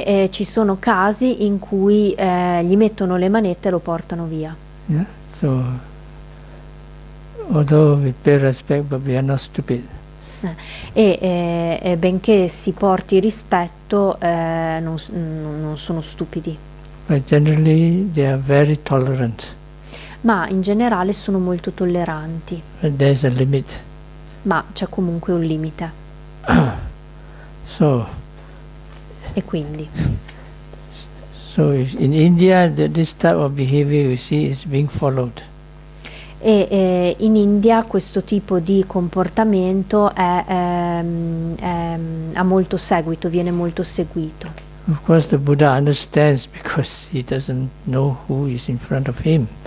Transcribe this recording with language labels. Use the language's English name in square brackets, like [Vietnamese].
[Italian] Ci sono casi in cui gli mettono le manette e lo portano via. [English] Yeah? So, although we pay respect, but we are not stupid. [Italian] Benché si porti rispetto, non sono stupidi. [English] But generally they are very tolerant. [Italian] Ma in generale sono molto tolleranti. [English] There's a limit. [Italian] Ma c'è comunque un limite. [English] So. [Italian] E quindi. [English] So if in India this type of behavior you see is being followed. [Italian] E in India questo tipo di comportamento ha molto seguito, viene molto seguito. [English] Of course the Buddha understands because he doesn't know who is in front of him.